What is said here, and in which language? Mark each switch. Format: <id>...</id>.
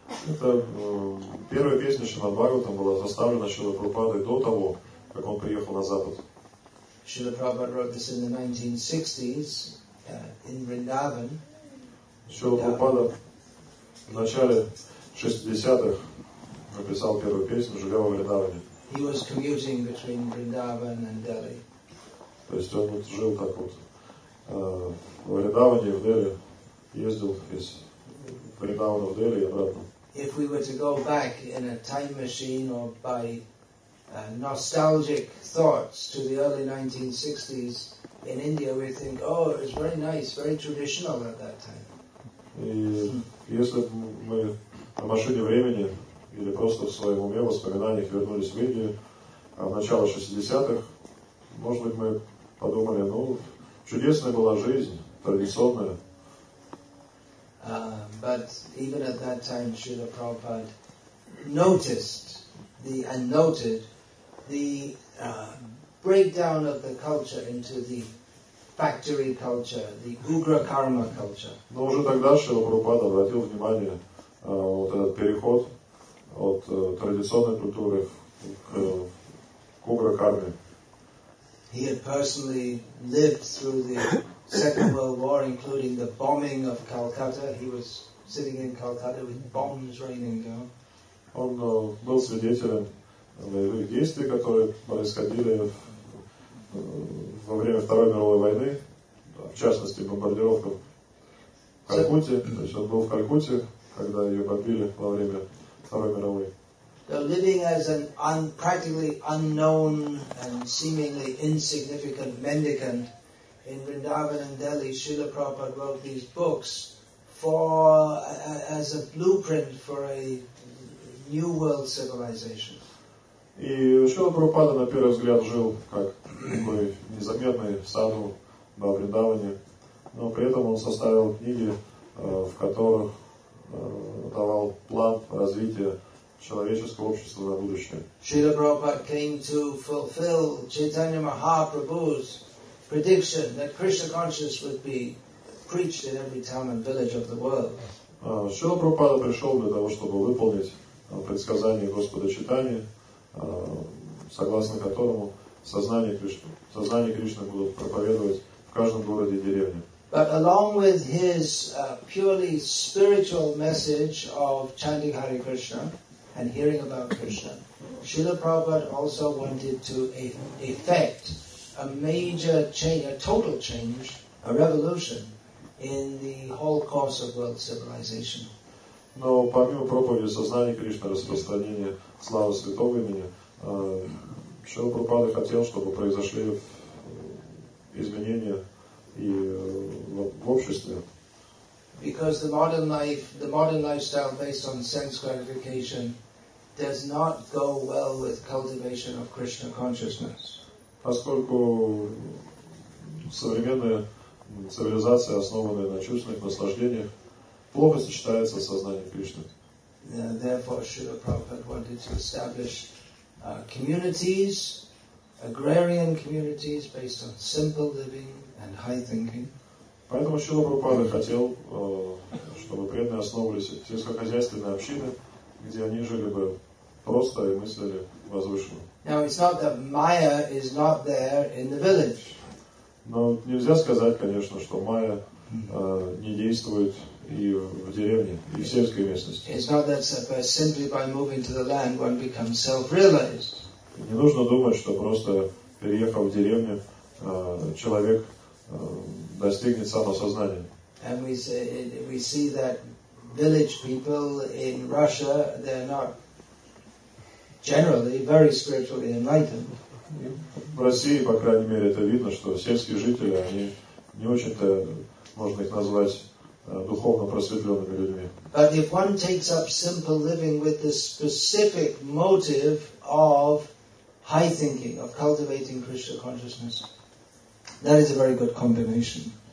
<ru>Это первая песня Шрила Бхагаватам была составлена Шрила Прабхупадой до того, как он приехал на Запад.</ru> <en>Srila Prabhupada wrote this in the 1960s in Vrindavan.</en> <ru>Srila Prabhupada в начале 60-х написал первую песню, живя во Вриндаване.</ru> <en>He was commuting between Vrindavan and Delhi.</en> <ru>То есть он вот жил так вот в Вриндаване, в Дели, ездил из Вриндавана в Дели и обратно.</ru> <en>If we were to go back in a time machine or by nostalgic thoughts to the early 1960s in India, we think, oh, it was very nice, very traditional at that time.</en> <ru>И если бы мы на машине времени или просто в своем уме воспоминаниях вернулись в Индию в начало 60-х, может быть, мы подумали, ну, чудесная была жизнь, традиционная.</ru> <en>But even at that time, Srila Prabhupada noticed and noted the breakdown of the culture into the factory culture, the ugra-karma culture.</en> <ru>Но уже тогда Шрила Прабхупада обратил внимание вот этот переход от традиционной культуры к угра-карме.</ru> <en>He had personally lived through the Second World War, including the bombing of Calcutta. He was sitting in Calcutta with bombs raining down.</en> <ru>Он был свидетелем боевых действий, которые происходили во время Второй мировой войны, в частности бомбардировка в Калькутте. То есть он был в Калькутте, когда ее бомбили во время Второй мировой.</ru> <en>So living as an practically unknown and seemingly insignificant mendicant in Vrindavan and Delhi, Srila Prabhupada wrote these books as a blueprint for a new world civilization.</en> <ru>И Шрила Прабхупада на первый взгляд жил как такой незаметный саду во Вриндаване, но при этом он составил книги, в которых давал план развития человеческого общества на будущее.</ru> <en>Шрила Прабхупада came to fulfill Chaitanya Mahaprabhu's prediction that Krishna consciousness would be preached in every town and village of the world.</en> <ru>Шрила Прабхупада пришел для того, чтобы выполнить предсказание Господа Чайтаньи, согласно которому сознание Кришны будут проповедовать в каждом городе и деревне.</ru> <en>But along with his purely spiritual message of chanting Hare Krishna and hearing about Krishna, Srila Prabhupada also wanted to effect a major change, a total change, a revolution in the whole course of world civilization.</en> <ru>Но помимо проповеди сознания Кришны, распространения славы святого имени, Шрила Прабхупада хотел, чтобы произошли изменения и в обществе.</ru> <en>Because the modern lifestyle based on sense gratification does not go well with cultivation of Krishna consciousness.</en> <ru>Поскольку современная цивилизация, основанная на чувственных наслаждениях, плохо сочетается с сознанием Кришны.</ru> <en>Therefore, Srila Prabhupada wanted to establish communities, agrarian communities based on simple living and high thinking.</en> <ru>Поэтому Шрила Прабхупада хотел, чтобы преданные основывались сельскохозяйственные общины, где они жили бы просто и мыслили возвышенно.</ru> <en>Now it's not that Maya is not there in the village.</en> <ru>Но нельзя сказать, конечно, что Майя не действует и в деревне, и в сельской местности.</ru> <en>It's not that simply by moving to the land one becomes self-realized.</en> <ru>Не нужно думать, что просто переехав в деревню, человек достигнет самосознания.</ru> <en>And we see that village people in Russia, they're not generally very spiritually enlightened.</en> <ru>в России, по крайней мере, это видно, что сельские жители, они не очень-то, можно их назвать, духовно просветленными людьми.</ru> <en>But if one takes up simple living with the specific motive of high thinking, of cultivating Krishna consciousness, that is a very good combination.</en>